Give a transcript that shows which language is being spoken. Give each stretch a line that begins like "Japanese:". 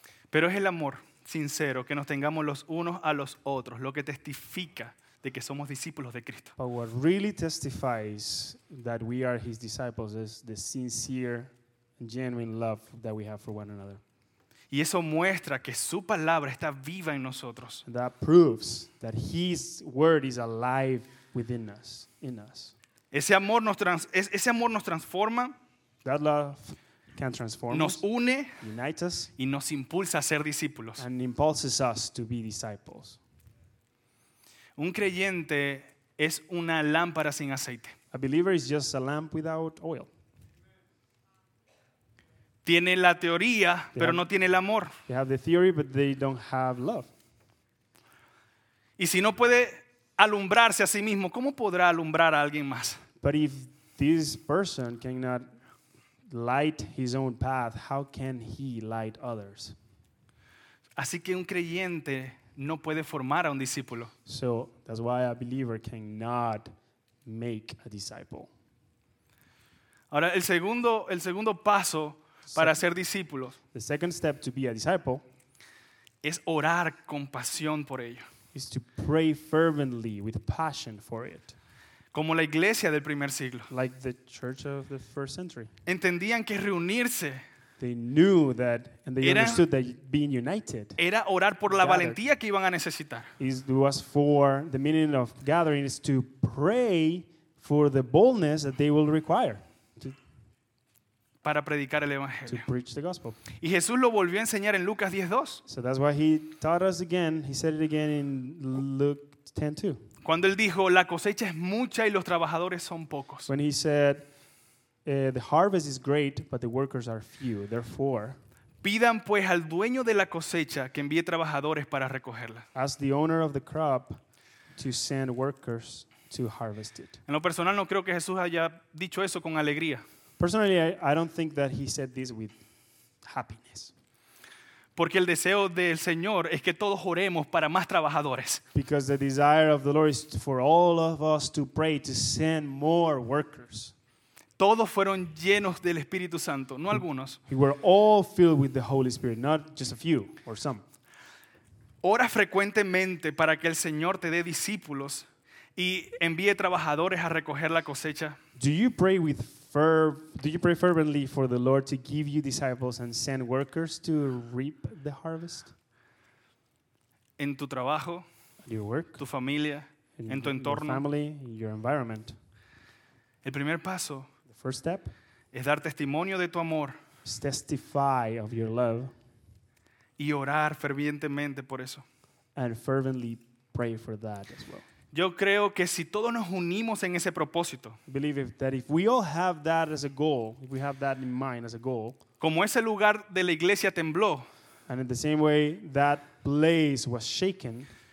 Spanish: Pero es el amor sincero que nos tengamos los unos a los otros, lo que testifica de que somos discípulos de Cristo.
English: But what really testifies that we are his disciples is the sincere, genuine love that we have for one another.
Spanish: Y eso muestra que su palabra está viva en nosotros.
English: That proves that his word is alive within us, in us.
Spanish: Ese amor nos transforma.
English: That love can transform
Spanish: nos une,
English: us, unite us,
Spanish: y nos impulsa a ser discípulos.
English: And impulses us to be disciples.
Spanish: Un creyente es una lámpara sin aceite.
English: A believer is just a lamp without oil.
Spanish: Tiene la teoría, pero no tiene el amor.
English: They have the theory, but they don't have love.
Spanish: Y si no puede alumbrarse a sí mismo, ¿cómo podrá alumbrar a alguien más?
English: But if this person cannot light his own path, how can he light others?
Spanish: Así que un creyente no puede formar a un discípulo.
English: So that's why a believer cannot make a disciple.
Spanish: Ahora el segundo paso para ser discípulos.
English: The second step to be a disciple
Spanish: es orar con pasión por ello.
English: Is to pray fervently with passion for it.
Spanish: Como la iglesia del primer siglo.
English: Like the church of the first century.
Spanish: Entendían que reunirse.
English: They knew that, and they understood that being united.
Spanish: Era orar por la valentía que iban a necesitar.
English: It was for the meaning of gathering is to pray for the boldness that they will require.
Spanish: Para predicar el evangelio.
English: To preach the gospel.
Spanish: Y Jesús lo volvió a enseñar en Lucas 10:2.
English: So that's why he taught us again. He said it again in Luke 10:2.
Spanish: Cuando él dijo, la cosecha es mucha y los trabajadores son pocos.
English: When he said, the harvest is great, but the workers are few. Therefore,
Spanish: pidan pues al dueño de la cosecha que envíe trabajadores para recogerla.
English: Ask the owner of the crop to send workers to harvest it.
Spanish: En lo personal, no creo que Jesús haya dicho eso con alegría.
English: Personally, I don't think that he said this with happiness.
Spanish: Porque el deseo del Señor es que todos oremos para más trabajadores.
English: Because the desire of the Lord is for all of us to pray to send more workers.
Spanish: Todos fueron llenos del Espíritu Santo, no algunos. We were all filled with the Holy Spirit, not just a few or some. Ora frecuentemente para que el Señor te dé discípulos y envíe trabajadores a recoger la cosecha.
English: Do you pray with do you pray fervently for the Lord to give you disciples and send workers to reap the harvest?
Spanish: En tu trabajo,
English: your work,
Spanish: tu familia, en tu entorno,
English: your family, your environment.
Spanish: El primer paso,
English: the first step,
Spanish: es dar testimonio de tu amor,
English: is testify of your love,
Spanish: y orar fervientemente por eso,
English: and fervently pray for that as well.
Spanish: Yo creo que si todos nos unimos en ese propósito,
English: believe that if we all have that as a goal, if we have that in mind as a goal,
Spanish: como ese lugar de la iglesia tembló,
English: and in the same way that place was shaken,